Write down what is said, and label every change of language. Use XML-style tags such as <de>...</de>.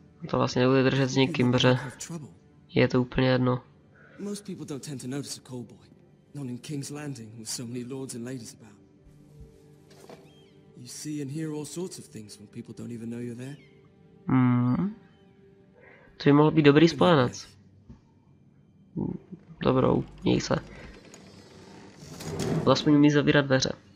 <cs>To vlastně nebude držet s nikým, protože... Je to úplně jedno.</cs> <en>Most people don't tend to notice a call boy. Not in King's Landing, with so many lords and ladies about. You see and hear all sorts of things when people don't even know you're there.</en> <cs>To by mohl být dobrý spojenec. Dobrou, měj se. Vlastně umí zavírat dveře.</cs>